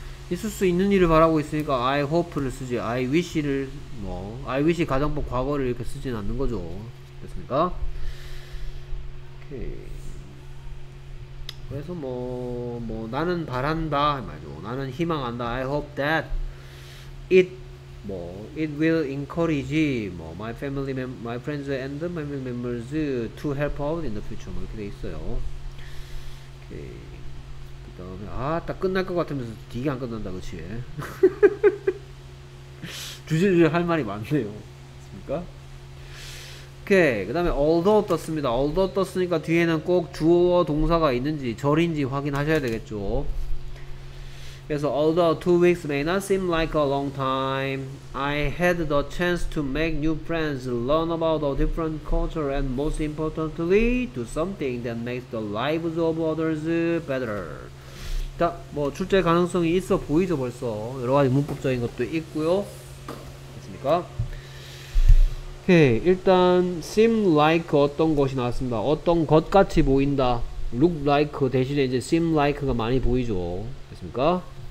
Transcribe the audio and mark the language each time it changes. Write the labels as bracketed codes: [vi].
[ko] 있을 수 있는 일을 바라고 있으니까 I hope를 쓰지, I wish를 뭐, I wish 가정법 과거를 이렇게 쓰진 않는 거죠. 됐습니까? 오케이. 그래서 나는 바란다 말이죠. 나는 희망한다. [en] I hope that it will encourage my family, my friends and family members to help out in the future. [ko] 뭐 이렇게 돼 있어요. 오케이. 그다음에 아, 딱 끝날 것 같으면서 되게 안 끝난다, 그치? 주제주제 할 말이 많네요. 맞습니까? 오케이. 그다음에 although 떴습니다. although 떴으니까 뒤에는 꼭 주어 동사가 있는지 절인지 확인하셔야 되겠죠. [en] 그래서 although 2 weeks may not seem like a long time, I had the chance to make new friends, learn about a different culture, and most importantly, do something that makes the lives of others better. [ko] 자, 뭐 출제 가능성이 있어 보이죠 벌써. 여러 가지 문법적인 것도 있고요. 됐습니까? 오케이, 일단 seem like 어떤 것이 나왔습니다. 어떤 것 같이 보인다. look like 대신에 이제 seem like가 많이 보이죠. 됐습니까?